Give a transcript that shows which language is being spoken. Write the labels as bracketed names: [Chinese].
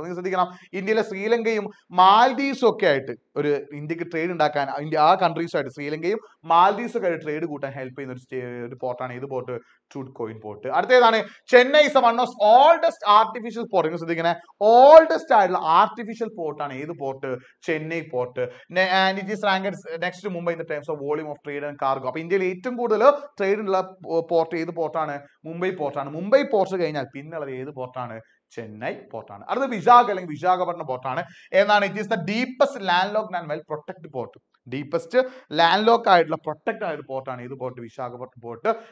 [Malayalam] നിങ്ങൾ ശ്രദ്ധിക്കണം, ഇന്ത്യയിലെ ശ്രീലങ്കയും മാൽദീവ്സും ഒക്കെ ആയിട്ട് ഒരു ഇന്ത്യക്ക് ട്രേഡ് ഉണ്ടാക്കാൻ, ഇന്ത്യ ആ കൺട്രീസുമായിട്ട് ശ്രീലങ്കയും മാൽദീവ്സും ഒക്കെ ആയിട്ട് ട്രേഡ് കൂട്ടാൻ ഹെൽപ്പ് ചെയ്യുന്ന ഒരു പോർട്ടാണ് ഏത് port? തുർക്കുവിൻ port. അടുത്തേതാണ് [English] Chennai is one of oldest artificial port. [Malayalam] നിങ്ങൾ ശ്രദ്ധിക്കണേ, ഓൾഡസ്റ്റ് ആയിട്ടുള്ള ആർട്ടിഫിഷ്യൽ പോർട്ടാണ് ഏത് port? Chennai port. [English] And it is ranked next to Mumbai in the terms of volume of trade and cargo. [Malayalam] അപ്പോൾ ഇന്ത്യയിലെ ഏറ്റവും കൂടുതൽ ട്രേഡ് ഉള്ള പോർട്ട് ഏത് പോർട്ടാണ്? മുംബൈ പോർട്ടാണ്. മുംബൈ പോർട്ട് കഴിഞ്ഞാൽ പിന്നുള്ളത് ഏത് പോർട്ടാണ്? ചെന്നൈ പോർട്ടാണ്. അടുത്ത വിശാഖ അല്ലെങ്കിൽ വിശാഖപട്ടണം പോർട്ടാണ് എന്നാണ്. [English] It is the deepest land lock and well protect port. [Malayalam] Deepest land lock ആയിട്ടുള്ള പ്രൊട്ടക്ട് ആയ ഒരു പോർട്ടാണ് ഏത് പോർട്ട്? വിശാഖപട്ടണം പോർട്ട്.